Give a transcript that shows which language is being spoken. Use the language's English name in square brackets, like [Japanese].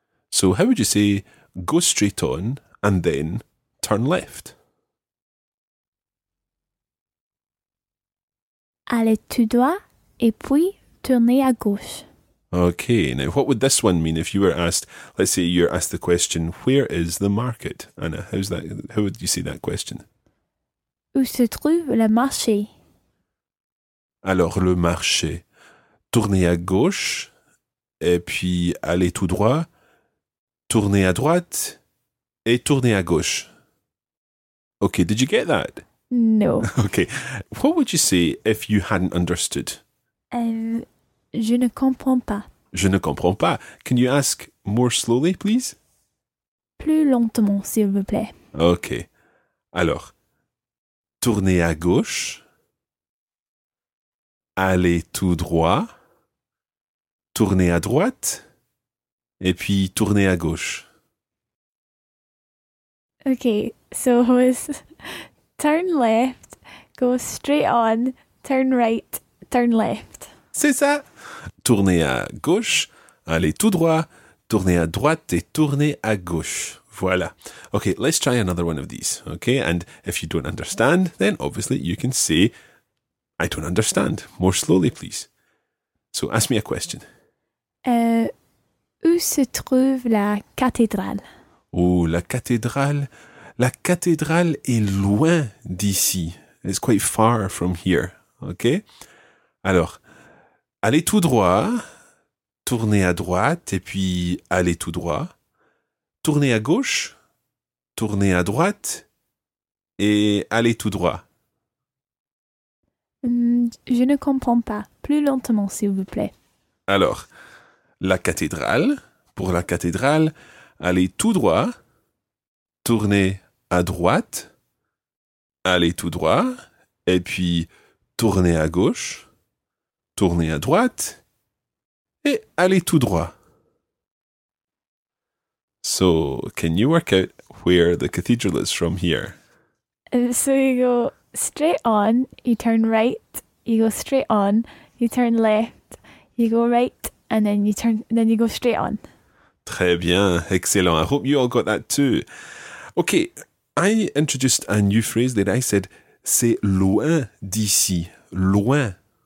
[English] So how would you say go straight on and then turn left? [French] Aller tout droit et puis tournez à gauche. [English] Ok, now what would this one mean if you were asked, let's say you're asked the question, where is the market? Anna, how's that? How would you say that question? [French] Où se trouve le marché? Alors, le marché. Tournez à gauche, et puis allez tout droit. Tournez à droite, et tournez à gauche. [English] Ok, did you get that? No. Ok, what would you say if you hadn't understood? [French] Je ne comprends pas. Je ne comprends pas. [English] Can you ask more slowly, please? [French] Plus lentement, s'il vous plaît. Ok, alors... Tournez à gauche, allez tout droit, tournez à droite, et puis tournez à gauche. [English] Okay, so it was turn left, go straight on, turn right, turn left. [French] C'est ça! Tournez à gauche, allez tout droit, tournez à droite et tournez à gauche. Voilà. [English] Okay, let's try another one of these. Okay, and if you don't understand, then obviously you can say, I don't understand. More slowly, please. So ask me a question. [French] Où se trouve la cathédrale? Oh, la cathédrale. La cathédrale est loin d'ici. [English] It's quite far from here. Okay? [French] Alors, allez tout droit, tournez à droite, et puis allez tout droit. Tournez à gauche, tournez à droite et allez tout droit. Je ne comprends pas. Plus lentement, s'il vous plaît. Alors, la cathédrale, pour la cathédrale, allez tout droit, tournez à droite, allez tout droit et puis tournez à gauche, tournez à droite et allez tout droit. [English] So, can you work out where the cathedral is from here? So you go straight on, you turn right, you go straight on, you turn left, you go right, and then you turn, then you go straight on. [French] Très bien, excellent. [English] I hope you all got that too. Okay, I introduced a new phrase that I said, [French] c'est loin d'ici, loin.